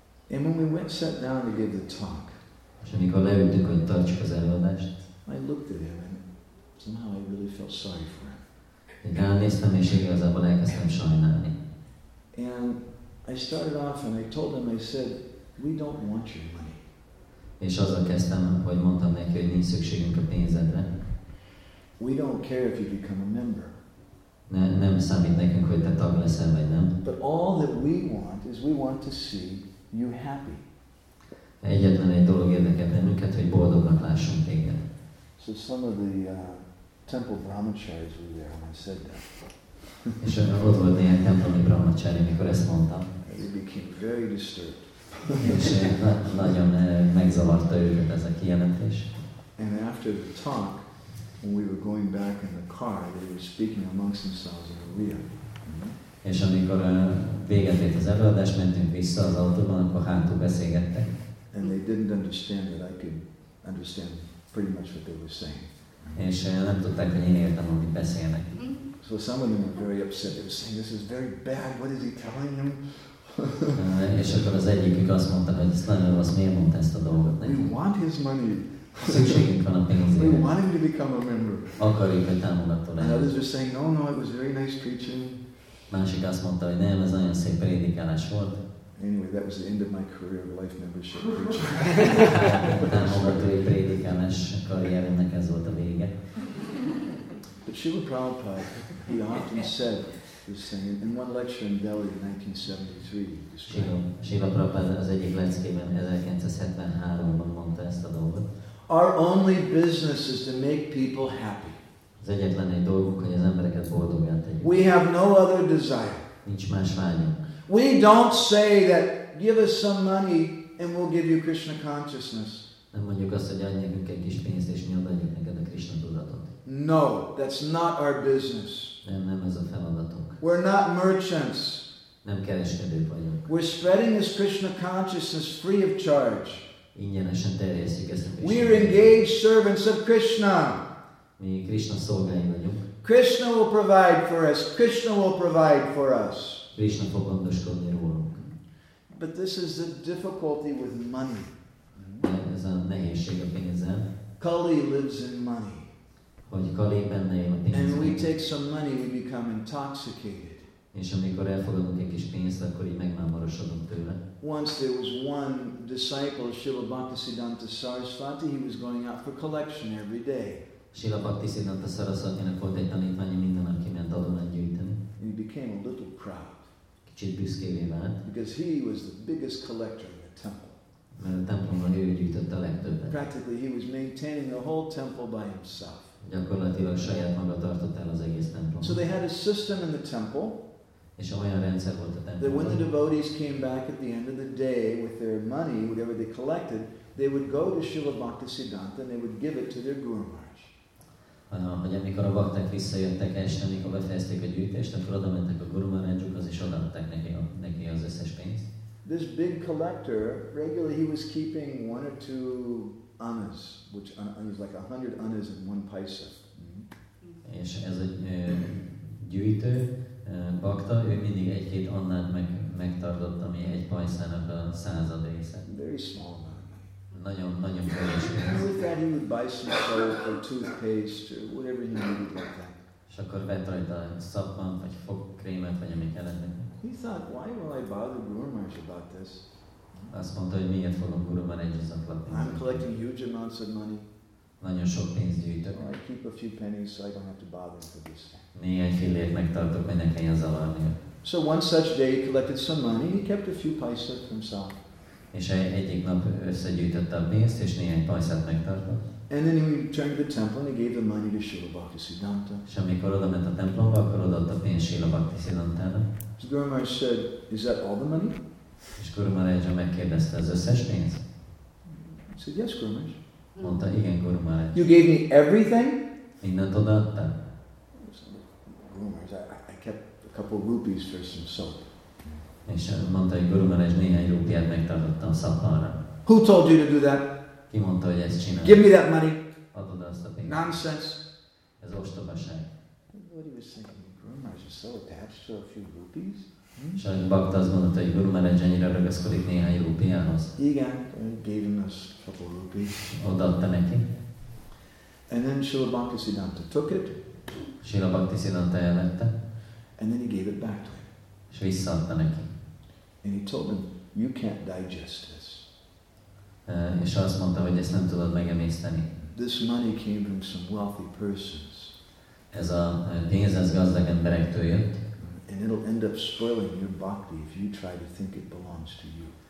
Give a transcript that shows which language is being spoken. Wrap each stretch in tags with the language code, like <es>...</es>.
<en>And when we went sat down to give the talk.</en> <hu>És amikor leültük, hogy tartsuk az előadást.</hu> <en>I looked at him. Somehow I really felt sorry for him.</en> <hu>Elnéztem, és igazából elkezdtem sajnálni.</hu> <en>And I started off and I told him, I said, we don't want your money.</en> <hu>És azzal kezdtem, hogy mondtam neki, hogy nincs szükségünk a pénzedre.</hu> <en>We don't care if you become a member.</en> <hu>Nem számít nekünk, hogy te tag leszel, vagy nem.</hu> <en>But all that we want is we want to see you happy.</en> <hu>Egyetlen egy dolog érdekel bennünket, hogy boldognak lássunk téged.</hu> <en>So some of the temple brahmacharis were there when I said that.</en> <hu>És ott volt néhány templomi brahmacharya, amikor ezt mondtam.</hu> <en>They became very disturbed.</en> <hu>És nagyon megzavarta őket ez a kijelentés.</hu> <en>And after the talk, when we were going back in the car, they were speaking amongst themselves in Oriya.</en> <hu>És amikor véget ért az előadás, mentünk vissza az autóban, akkor hátul beszélgettek.</hu> <en>And they didn't understand that I could understand pretty much what they were saying.</en> <hu>És nem tudták, hogy én értem, amit beszélnek.</hu> <en>So some of them were very upset. They were saying, this is very bad. What is he telling them?</en> <hu>És akkor az egyikük azt mondta, hogy ez nagyon rossz, miért mondta ezt a dolgot neki?</hu> <en>We want his money.</en> <hu>Szükségünk van a pénzére.</hu> <en>We want him to become a member.</en> <hu>Akarjuk, hogy támogató legyen.</hu> <en>Others were saying, no, it was very nice preaching.</en> <hu>Másik azt mondta, hogy nem, ez nagyon szép prédikálás volt.</hu> <en>Anyway, that was the end of my career of life membership preaching.</en> <hu>Támogatói prédikálás karrieremnek ez volt a vége.</hu> <en>But Srila Prabhupada, he often said this thing in one lecture in Delhi in 1973.</en> <hu>Srila Prabhupada az egyik leckében 1973-ban mondta ezt a dolgot.</hu> <en>Our only business is to make people happy.</en> <hu>Az egyetlen egy dolgunk, hogy az embereket boldogan tegyük.</hu> <en>We have no other desire.</en> <hu>Nincs más vágyunk.</hu> <en>We don't say that give us some money and we'll give you Krishna consciousness.</en> <hu>Nem mondjuk azt, hogy adj nekünk egy kis pénzt és mi adjuk neked a Krishna tudatot.</hu> <en>No, that's not our business.</en> <hu>Nem, nem ez a feladatunk.</hu> <en>We're not merchants.</en> <hu>Nem kereskedők vagyunk.</hu> <en>We're spreading this Krishna consciousness free of charge.</en> <hu>Ingyenesen terjesszük ezt a</hu> <en>Krishna. We're engaged servants of Krishna.</en> <hu>Mi Krishna szolgái vagyunk.</hu> <en>Krishna will provide for us. Krishna will provide for us.</en> <hu>Krishna fog gondoskodni rólunk.</hu> <en>But this is the difficulty with money.</en> <hu>Ez a nehézség a pénzzel.</hu> <en>Kali lives in money.</en> <hu>Hogy Kali benne él a pénzben.</hu> <en>And we take some money, we become intoxicated.</en> <hu>És amikor elfogadunk egy kis pénzt, akkor így megmámorosodunk tőle.</hu> <en>Once there was one disciple, Srila Bhaktisiddhanta Sarasvati, he was going out for collection every day.</en> <hu>Srila Bhaktisiddhanta Sarasvatinak volt egy tanítványa, minden nap kiment adományt gyűjteni.</hu> <en>And he became a little proud.</en> <hu>Kicsit büszkévé vált.</hu> <en>Because he was the biggest collector in the temple.</en> <hu>Mert a templomban ő gyűjtött a legtöbbet.</hu> <en>Practically he was maintaining the whole temple by himself.</en> <hu>Gyakorlatilag saját maga tartott el az egész templomot.</hu> <en>So they had a system in the temple.</en> <hu>És olyan rendszer volt a templomban.</hu> <en>That when the devotees came back at the end of the day with their money, whatever they collected, they would go to Srila Bhaktisiddhanta and they would give it to their Guru Maharaj.</en> <hu>Hogy amikor a bakták visszajöttek este, amikor befejezték a gyűjtést, akkor oda mentek a Guru Maharajukhoz és odaadták neki az összes pénzt.</hu> <en>This big collector, regularly he was keeping one or two annas, which is like 100 annas in one paisa.</en> <hu>És ez a gyűjtő, bakta, ő mindig egy-két annát megtartott, ami egy paisának a század része.</hu> <en>Very small amount.</en> <hu>Nagyon-nagyon kevés.</hu> <en>We thought he would buy some soap or toothpaste or whatever he needed like that.</en> <hu>És akkor vett rajta szappan, vagy fogkrémet, vagy amit kellett neki.</hu> <en>He thought, why will I bother Guru Maharaj about this?</en> <hu>Azt mondta, hogy miért fogom Guru Maharajhoz adni.</hu> <en>I'm collecting huge amounts of money.</en> <hu>Nagyon sok pénzt gyűjtök.</hu> <en>I keep a few pennies so I don't have to bother for this.</en> <hu>Néhány fillért megtartok, hogy ne kelljen zavarni.</hu> <en>So one such day he collected some money, he kept a few paisa for himself.</en> <hu>És egyik nap összegyűjtötte a pénzt, és néhány paisát megtartott.</hu> <en>And then he returned to the temple and he gave the money to Srila Bhaktisiddhanta.</en> <hu>És amikor odament a templomba, akkor odaadta a pénzt Srila Bhaktisiddhantának.</hu> <en>So Guru Maharaj said, is that all the money?</en> <hu>És Guru Maharaj megkérdezte, az összes pénz?</hu> <en>He said, yes, Guru Maharaj.</en> <hu>Mondta, igen, Guru Maharaj.</hu> <en>You gave me everything?</en> <hu>Mindent odaadta.</hu> <en>Guru Maharaj, I kept a couple of rupees for some soap.</en> <hu>És mondta, hogy Guru Maharaj néhány rupiát megtartottam szappanra.</hu> <en>Who told you to do that?</en> <hu>Ki mondta, hogy ezt csinálod?</hu> <en>Give me that money.</en> <hu>Adod azt a pénzt.</hu> <en>Nonsense.</en> <hu>Ez ostobaság.</hu> <en>What he was thinking? Guru Maharaj is so attached to a few rupees.</en> <hu>Shri Bhakta azt mondta, hogy Guru Maharaj ennyire ragaszkodik néhány rupiához. Igen,</hu> <en>gave him a couple of rupees.</en> <hu>Odaadta neki.</hu> <en>And then Srila Bhaktisiddhanta took it.</en> <hu>Srila Bhaktisiddhanta elvette.</hu> <en>And then he gave it back to him.</en> <hu>És visszaadta neki.</hu> <en>And he told him, you can't digest this.</en> <hu>És azt mondta, hogy ezt nem tudod megemészteni.</hu> <en>This money came from some wealthy persons.</en> <hu>Ez a pénz az gazdag emberektől jött.</hu> <en>And it'll end up spoiling your bhakti if you try to think it belongs to you.</en>